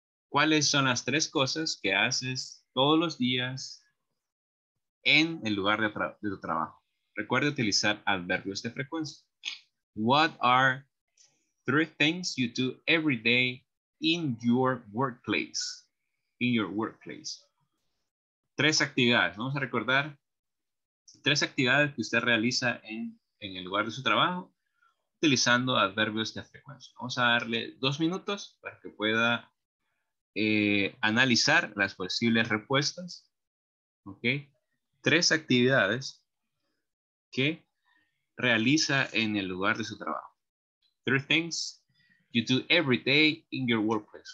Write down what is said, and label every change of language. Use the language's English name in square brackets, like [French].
[Spanish] ¿Cuáles son las tres cosas que haces todos los días en el lugar de tu trabajo? Recuerda utilizar adverbios de frecuencia. [English] What are three things you do every day in your workplace? In your workplace. [Spanish] Tres actividades, vamos a recordar. Tres actividades que usted realiza en el lugar de su trabajo utilizando adverbios de frecuencia. Vamos a darle 2 minutos para que pueda analizar las posibles respuestas. ¿Okay? Tres actividades que realiza en el lugar de su trabajo. [English] Three things you do every day in your workplace.